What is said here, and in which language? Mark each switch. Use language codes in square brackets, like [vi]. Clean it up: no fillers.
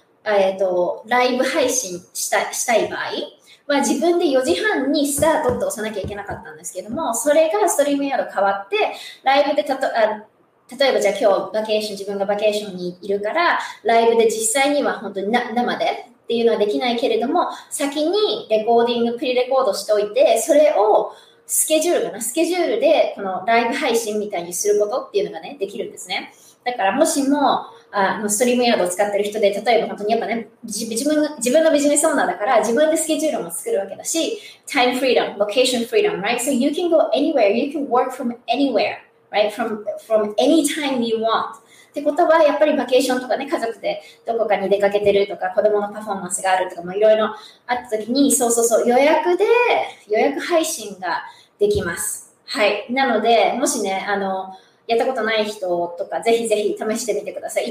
[ja] ライブ配信したい場合は、自分で4時半にスタートって押さなきゃいけなかったんですけども、それがストリームヤード変わって、ライブで例えばじゃあ今日バケーション、自分がバケーションにいるから、ライブで実際には本当に生でっていうのはできないけれども、先にレコーディング、プリレコードしておいて、それをスケジュールかな、スケジュールでこのライブ配信みたいにすることっていうのがね、できるんですね。だからもしも、ストリームヤードを使ってる人で、例えば本当にやっぱね、自分のビジネスオーナーだから、自分でスケジュールも作るわけだし、タイムフリーダム、ロケーションフリーダム、right? [en] So you can go anywhere, you can work from anywhere. Right? From anytime you want. [ja] ってことは、やっぱりバケーションとかね、家族でどこかに出かけてるとか、子供のパフォーマンスがあるとかもいろいろあったときに、そう、予約配信ができます。はい。なので、もしね、やったことない人とか、ぜひぜひ試してみてください。